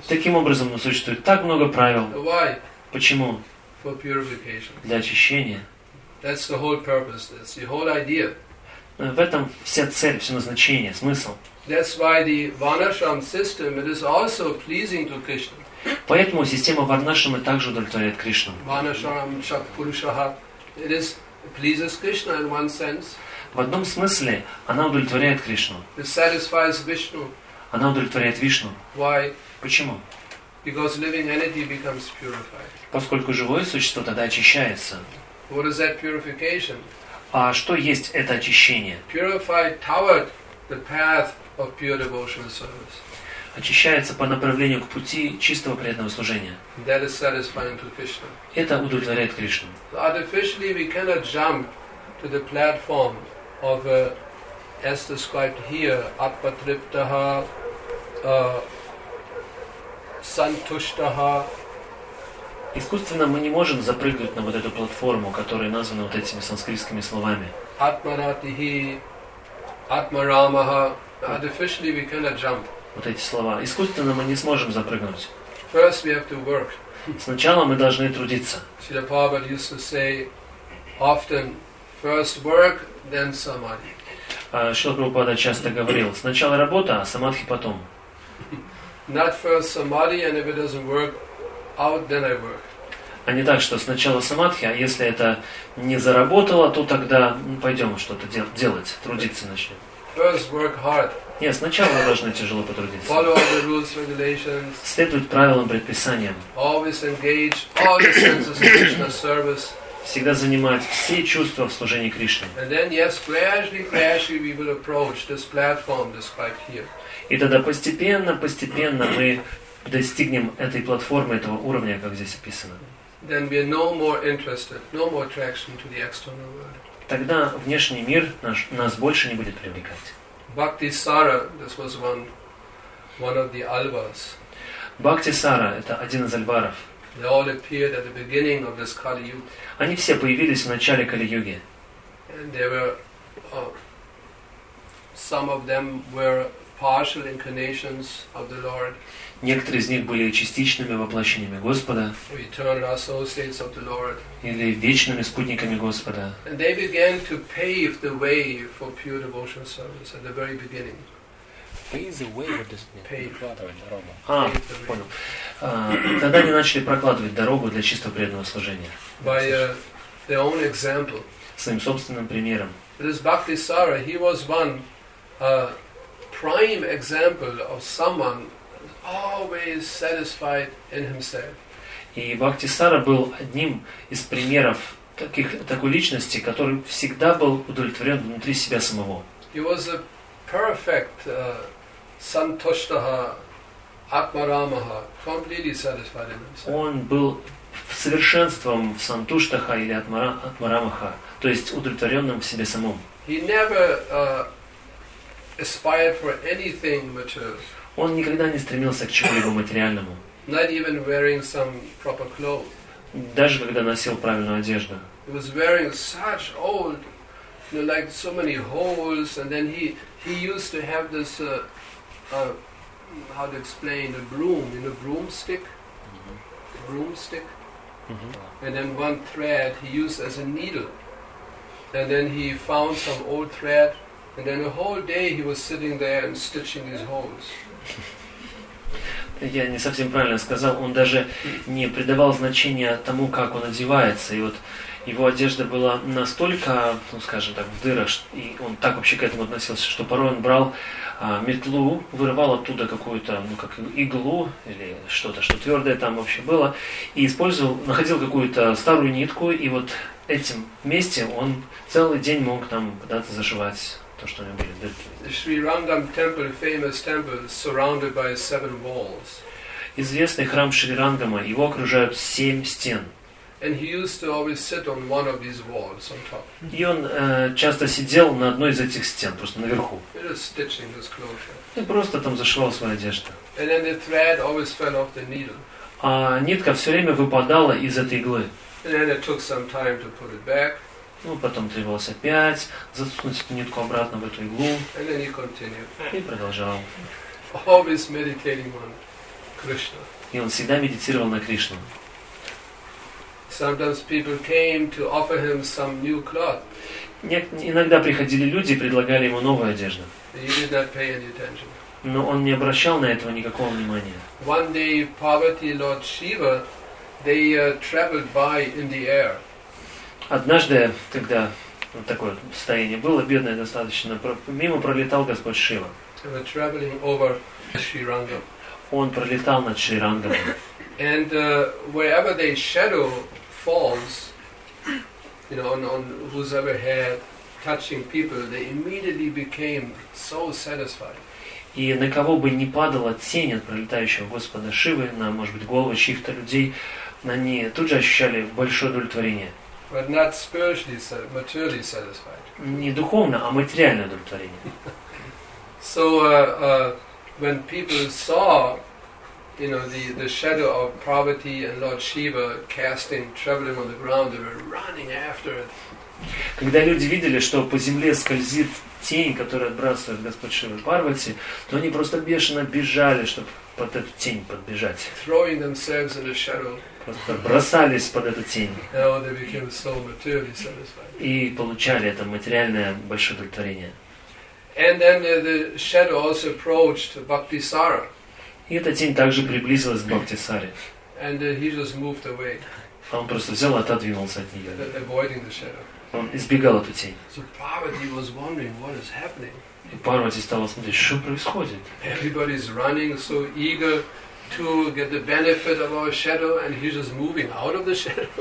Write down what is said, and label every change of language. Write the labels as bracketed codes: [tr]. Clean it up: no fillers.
[ru] Таким образом, ну, существует так много правил. [en] Why? [ru] Почему? [en] For purification. [ru] Для очищения. [en] That's the whole purpose. That's the whole idea. [ru] В этом вся цель, все назначение, смысл. [en] That's why the Varnashram system, it is also pleasing to Krishna. [ru] Поэтому система Варнашрамы также удовлетворяет Кришну. [en] Varnashram Shatpurushaha, it is pleases Krishna in one sense. [ru] В одном смысле она удовлетворяет Кришну. [en] It satisfies Vishnu. [ru] Она удовлетворяет Вишну. [en] Why? [ru] Почему? [en] Because living entity becomes purified. [ru] Поскольку живое существо тогда очищается. [en] What is that purification? [ru] А что есть это очищение? [en] Purified toward the path of pure devotional service. [ru] Очищается по направлению к пути чистого преданного служения. [en] That is satisfying to Krishna. [ru] Это удовлетворяет Кришну. [en] So artificially we cannot jump to the platform of a, as described here, apatriptaha, santushtaha. [ru] Искусственно мы не можем запрыгнуть на вот эту платформу, которая названа вот этими санскритскими словами. [sa] Атманатихи, атмарамаха. [en] Artificially we cannot jump. [ru] Вот эти слова. Искусственно мы не сможем запрыгнуть. [en] First we have to work. [ru] Сначала мы должны трудиться. [en] Srila Prabhupada used to say often, first work, then samadhi. [ru] Шрила Прабхупада часто говорил: сначала работа, а самадхи потом. [en] Not first samadhi, and if it doesn't work out, then I work. [ru] А не так, что сначала самадхи, а если это не заработало, то тогда пойдем что-то делать, трудиться начнем. [en] First work hard. [ru] Нет, сначала должны тяжело потрудиться. [en] Follow all the rules, regulations. [ru] Следовать правилам, предписаниям. [en] Always engage all the senses of Krishna service. [ru] Всегда занимать все чувства в служении Кришне. [en] And then, yes, gradually we will approach this platform described here. [ru] И тогда постепенно мы достигнем этой платформы, этого уровня, как здесь описано. [en] Then we are no more interested, no more attraction to the external world. [ru] Тогда внешний мир нас больше не будет привлекать. [en] Bhakti Sara, this was one of the Alvars. [ru] Bhakti Sara, это один из Альваров. [en] They all appeared at the beginning of this Kali Yuga. [ru] Они все появились в начале Кали-юги. [en] And they were, some of them were partial incarnations of the Lord. [ru] Некоторые из них были частичными воплощениями Господа. [en] Eternal associates of the Lord. [ru] Или вечными спутниками Господа. [en] And they began to pave the way for pure devotional service at the very beginning. [ru] Тогда они начали прокладывать дорогу для чисто преданного служения. [en] By their own example. [ru] Своим собственным примером. [en] It is Bhakti Sara. He was one prime example of someone always satisfied in himself. [ru] И Бхакти Сара был одним из примеров такой личности, который всегда был удовлетворен внутри себя самого. [en] He was a perfect santushtaha, atmaramaha, completely satisfied in himself. [ru] Он был совершенством в сантуштаха или атмарамаха, то есть удовлетворенным в себе самом. [en] He never aspired for anything material. [ru] Он никогда не стремился к чему-либо материальному. [en] Not even wearing some proper clothes. [ru] Даже когда носил правильную одежду. [en] He was wearing such old know, like so many holes, and then he used to have this, how to explain, a broom, you know, broomstick, mm-hmm. broomstick, mm-hmm. and then one thread he used as a needle, and then he found some old thread, and then a whole day he was sitting there and stitching these holes. [ru] Я не совсем правильно сказал, он даже не придавал значения тому, как он одевается. И вот его одежда была настолько, ну скажем так, в дырах, и он так вообще к этому относился, что порой он брал метлу, вырывал оттуда какую-то, ну как иглу или что-то, что твердое там вообще было, и использовал, находил какую-то старую нитку, и вот этим вместе он целый день мог там пытаться зашивать. [en] Шри Рангам temple, famous temple, surrounded by seven walls. [ru] Известный храм Шри Рангама, его окружают семь стен. [en] And he used to always sit on one of these walls on top. [ru] И он часто сидел на одной из этих стен, просто наверху. [en] Stitching his clothes. [ru] И просто там зашивал свою одежду. [en] And then the thread always fell off the needle. [ru] А нитка все время выпадала из этой иглы. [en] And then it took some time to put it back. [ru] Ну, потом требовалось опять засунуть эту нитку обратно в эту иглу. [en] And then he continued. [ru] И продолжал. [en] Always meditating on Krishna. [ru] И он всегда медитировал на Кришну. [en] Sometimes people came to offer him some new cloth. [ru] Иногда приходили люди и предлагали ему новую одежду. [en] He did not pay any attention. [ru] Но он не обращал на этого никакого внимания. [en] One day Parvati and Lord Shiva, they traveled by in the air. [ru] Однажды, когда вот такое состояние было, бедное достаточно, мимо пролетал Господь Шива. Он пролетал над Шри Рангом. [en] And wherever their shadow falls, you know, on whosoever head touching people, they immediately became so satisfied. [ru] И на кого бы ни падала тень от пролетающего Господа Шивы, на, может быть, головы чьих-то людей, они тут же ощущали большое удовлетворение. [en] But not spiritually, materially satisfied. [ru] Не духовно, а материальное удовлетворение. [en] So when people saw, you know, the shadow of Parvati and Lord Shiva casting, traveling on the ground, they were running after it. [ru] Когда люди видели, что по земле скользит тень, которую отбрасывает Господь Шива и Парвати, то они просто бешено бежали, чтобы под эту тень подбежать. [en] Throwing themselves in the shadow. [ru] Просто бросались под эту тень. [en] Now they became so materially satisfied. [ru] И получали это материальное большое удовлетворение. [en] And then the shadow also approached Bhaktisara. [ru] И эта тень также приблизилась к Бхактисаре. [en] And he just moved away. [ru] Он просто взял и отодвинулся от нее. [en] Avoiding the shadow. [ru] Он избегал эту тень. [en] So Parvati was wondering what is happening. [ru] И Парвати стала смотреть, что происходит. [en] Everybody is running so eager to get the benefit of our shadow, and he's just moving out of the shadow.